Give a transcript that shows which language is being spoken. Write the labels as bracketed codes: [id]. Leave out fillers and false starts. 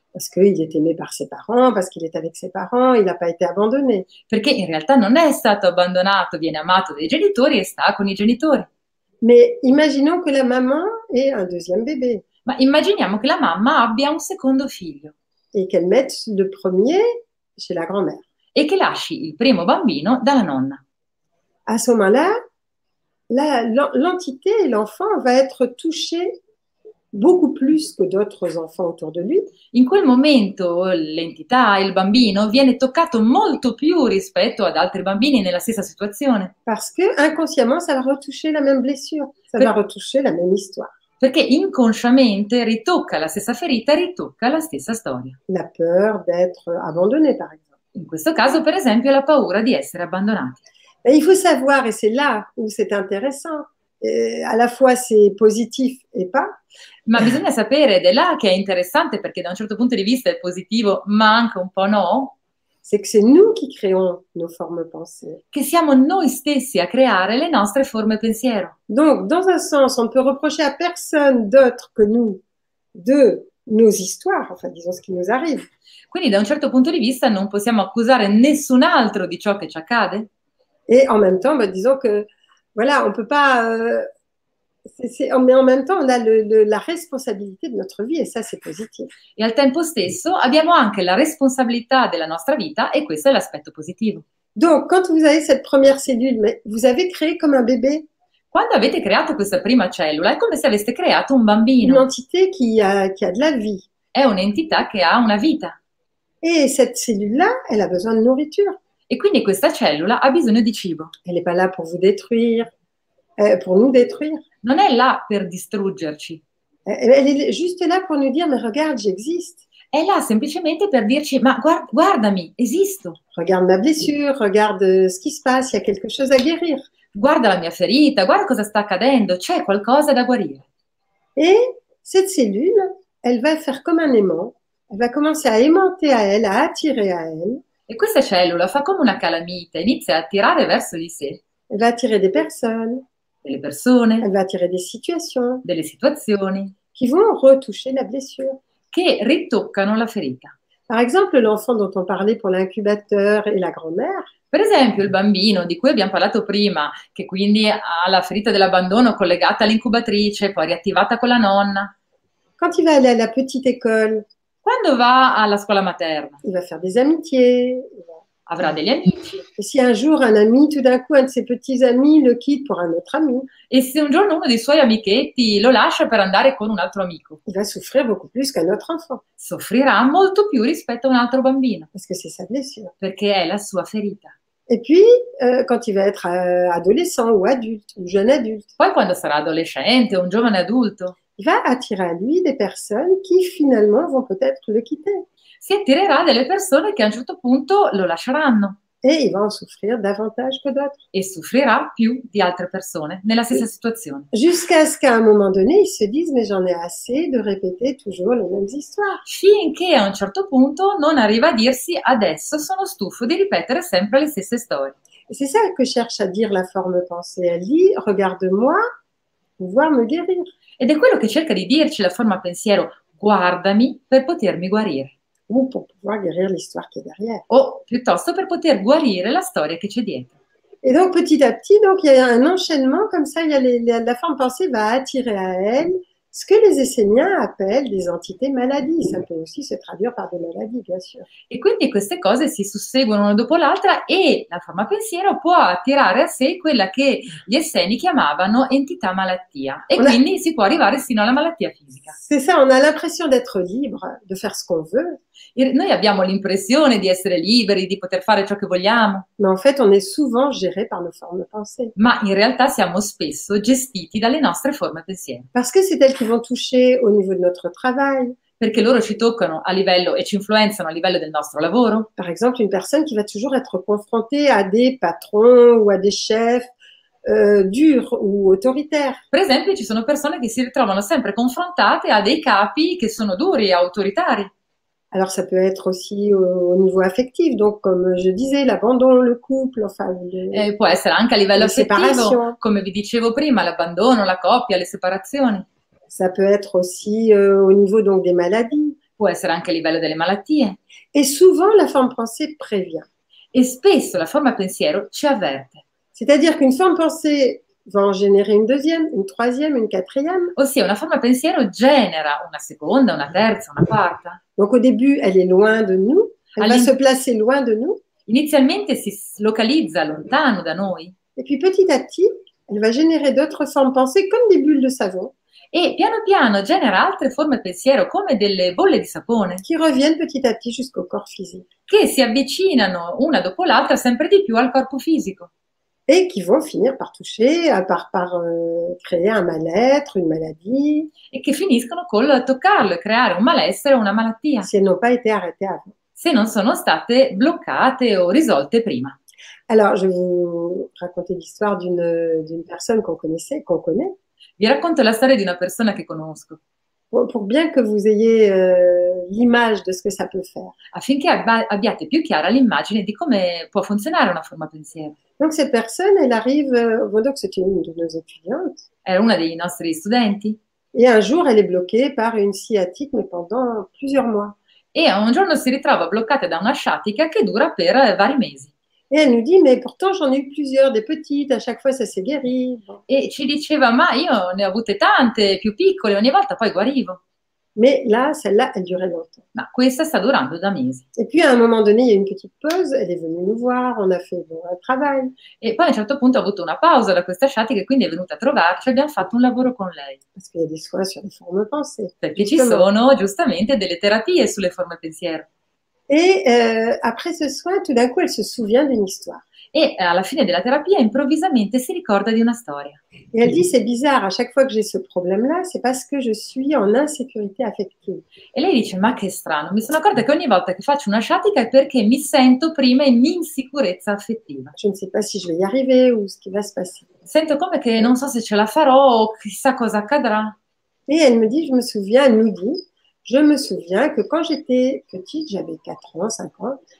[fr] Parce qu'il est aimé par ses parents, parce qu'il est avec ses parents, il n'a pas été abandonné. [it] Perché in realtà non è stato abbandonato, viene amato dai genitori e sta con i genitori. [fr] Mais imaginons que la maman ait un deuxième bébé. [it] Ma immaginiamo che la mamma abbia un secondo figlio. [fr] Et qu'elle mette le premier chez la grand-mère. [it] E che lasci il primo bambino dalla nonna. [fr] À ce moment-là, l'entité, l'enfant, va être touchée beaucoup plus que d'autres enfants autour de lui. [it] In quel momento l'entità, il bambino, viene toccato molto più rispetto ad altri bambini nella stessa situazione. [fr] Parce que inconsciemment, ça va retoucher la même blessure, ça va retoucher la même histoire. [it] Perché inconsciamente ritocca la stessa ferita, ritocca la stessa storia. [fr] La peur d'être abandonné, par exemple. [it] In questo caso, per esempio, la paura di essere abbandonati. [fr] Et il faut savoir, et c'est là où c'est intéressant, à la fois c'est positif et pas. [it] Ma bisogna sapere, ed è là che è interessante, perché da un certo punto di vista è positivo, ma anche un po' no. [fr] C'est que c'est nous qui créons nos formes pensées. [it] Che siamo noi stessi a creare le nostre forme pensiero. [fr] Donc, dans un sens, on peut reprocher à personne d'autre que nous de nos histoires, enfin disons ce qui nous arrive. [it] Quindi da un certo punto di vista non possiamo accusare nessun altro di ciò che ci accade. [fr] Et en même temps, bah, disons que voilà, on peut pas. Mais en même temps, on a la responsabilité de notre vie, et ça, c'est positif. [it] Et al tempo stesso, abbiamo anche la responsabilità della nostra vita, e questo è l'aspetto positivo. [fr] Donc, quand vous avez cette première cellule, mais vous avez créé comme un bébé. [it] Quando avete creato questa prima cellula, è come se aveste creato un bambino. [fr] Une entité qui a de la vie. [it] È un'entità che ha una vita. [fr] Et cette cellule-là, elle a besoin de nourriture. [it] E quindi questa cellula ha bisogno di cibo. [fr] Elle est pas là pour vous détruire, pour nous détruire. [it] Non è là per distruggerci. [fr] Elle est juste là pour nous dire, mais regarde, j'existe. [it] È là semplicemente per dirci, ma guardami, esisto. [fr] Regarde ma blessure, regarde ce qui se passe, il y a quelque chose à guérir. [it] Guarda la mia ferita, guarda cosa sta accadendo, c'è qualcosa da guarire. [fr] Et cette cellule, elle va faire comme un aimant, elle va commencer à aimanter à elle, à attirer à elle. [it] E questa cellula fa come una calamita, inizia a tirare verso di sé. [fr] Elle va attirer des personnes. [it] Delle persone. [fr] Elle va attirer des situations. [it] Delle situazioni. [fr] Qui vont retoucher la blessure. [it] Che ritoccano la ferita. [fr] Par exemple, l'enfant dont on parlait pour l'incubateur et la grand-mère. [it] Per esempio, il bambino di cui abbiamo parlato prima, che quindi ha la ferita dell'abbandono collegata all'incubatrice, poi riattivata con la nonna. [fr] Quand il va aller à la petite école. [it] Quando va alla scuola materna? [fr] Il va faire des amitiés. [it] Avrà degli amici. E se un giorno un [fr] ami, tout d'un coup, un de ses petits amis le quitte pour un autre ami? [it] E se un giorno uno dei suoi amichetti lo lascia per andare con un altro amico? [fr] Il va souffrir beaucoup plus qu'un autre enfant. [it] Soffrirà molto più rispetto a un altro bambino. [fr] Parce que c'est sa blessure. [it] Perché è la sua ferita. [fr] E puis, quand il va être adolescent ou adulte, ou jeune adulte. [it] Poi quando sarà adolescente o un giovane adulto. [fr] Il va attirer à lui des personnes qui finalement vont peut-être le quitter. [it] Si attirerà delle persone che a un certo punto lo lasceranno. [fr] Et il va en souffrir davantage que d'autres. [it] E soffrirà più di altre persone nella stessa situazione. [fr] Jusqu'à ce qu'à un moment donné, il se dise, mais j'en ai assez de répéter toujours les mêmes histoires. [it] Finché a un certo punto non arriva a dirsi, adesso sono stufo di ripetere sempre le stesse storie. [fr] Et c'est ça que cherche à dire la forme pensée. Elle dit, regarde-moi, pouvoir me guérir. [it] Ed è quello che cerca di dirci la forma pensiero, guardami per potermi guarire. O per poter guarire [fr] l'histoire [it] che è [fr] derrière. [it] O piuttosto per poter guarire la storia che c'è dietro. [fr] E donc petit à petit, donc il y a un enchaînement comme ça, la forma pensée va attirer à elle ce que les Esséniens appellent des entités maladies. Ça peut aussi se traduire par des maladies, bien sûr. [it] E quindi queste cose si susseguono una dopo l'altra e la forma pensiero può attirare a sé quella che gli Esseni chiamavano entità malattia. E quindi si può arrivare sino alla malattia fisica. [fr] C'est ça, on a l'impression d'être libre, de faire ce qu'on veut. [it] Noi abbiamo l'impressione di essere liberi, di poter fare ciò che vogliamo. [fr] Mais en fait, on est souvent géré par nos formes pensées. [it] Ma in realtà siamo spesso gestiti dalle nostre forme pensiero. [fr] Parce que c'est elles qui vont toucher au niveau de notre travail. [it] Perché loro ci toccano a livello e ci influenzano a livello del nostro lavoro. [fr] Par exemple, une personne qui va toujours être confrontée à des patrons ou à des chefs dur ou autoritaire. [it] Per esempio, ci sono persone che si ritrovano sempre confrontate a dei capi che sono duri e autoritari. [fr] Alors, ça peut être aussi au niveau affectif. Donc, comme je disais, l'abandon, le couple, enfin, [it] Può essere anche a livello affettivo, come vi dicevo prima, l'abbandono, la coppia, le separazioni. [fr] Ça peut être aussi au niveau donc des maladies. [it] Può essere anche a livello delle malattie. [fr] Et souvent, la forme pensée prévient. [it] E spesso la forma pensiero ci avverte. [fr] C'est-à-dire qu'une forme pensée va en générer une deuxième, une troisième, une quatrième. [it] Ossia, una forma pensiero genera una seconda, una terza, una quarta. [fr] Donc au début, elle est loin de nous. Elle va se placer loin de nous. [it] Inizialmente si localizza lontano da noi. [fr] Et puis petit à petit, elle va générer d'autres formes pensées comme des bulles de savon. [it] E piano piano genera altre forme pensiero come delle bolle di sapone. [fr] Qui reviennent petit à petit jusqu'au corps physique. [it] Che si avvicinano una dopo l'altra sempre di più al corpo fisico. [fr] Et qui vont finir par toucher, par créer un mal-être, une maladie. [it] E che finiscono col toccarlo, creare un malessere o una malattia. [fr] Si n'ont pas été arrêtées avant. [it] Se non sono state bloccate o risolte prima. [fr] Alors, je vais vous raconter l'histoire d'une personne qu'on connaissait, qu'on connaît. [it] Vi racconto la storia di una persona che conosco. [fr] Pour bien que vous ayez l'image de ce que ça peut faire. [it] Affinché abbiate più chiara l'immagine di come può funzionare una forma pensiero. [fr] Donc cette personne, elle arrive, donc c'est une de nos étudiantes. [it] Era una dei nostri studenti. [fr] Et un jour, elle est bloquée par une sciatique, mais pendant plusieurs mois. [it] E un giorno si ritrova bloccata da una sciatica che dura per vari mesi. [fr] Et elle nous dit, mais pourtant j'en ai eu plusieurs, des petites, à chaque fois ça s'est guéri. [it] E ci diceva, ma io ne ho avute tante, più piccole, ogni volta poi guarivo. [fr] Mais là, celle-là, elle durait longtemps. [it] Ma questa sta durando da mesi. [fr] Et puis à un moment donné, il y a une petite pause, elle est venue nous voir, on a fait un travail. [it] E poi a un certo punto ha avuto una pausa da questa sciatica e quindi è venuta a trovarci e abbiamo fatto un lavoro con lei. [fr] Parce qu'il y a des soins sur les formes pensées. [it] Perché ci sono, giustamente, delle terapie sulle forme pensiero. [fr] Et après ce soin, tout d'un coup, elle se souvient d'une histoire. [it] Et à la fine de la thérapie, improvvisamente, si ricorda di una storia. [fr] Et elle dit, c'est bizarre, à chaque fois que j'ai ce problème-là, c'est parce que je suis en insécurité affective. [it] Et lei dice, ma che strano, mi sono accorta che ogni volta che faccio una sciatica è perché mi sento prima in insicurezza affettiva. [fr] Je ne sais pas si je vais y arriver ou ce qui va se passer. [it] Sento come che non so se ce la farò o chissà cosa accadrà. [fr] Et elle me dit, je me souviens, elle nous dit, je me souviens que quand j'étais petite, j'avais 4 ans, 5 ans.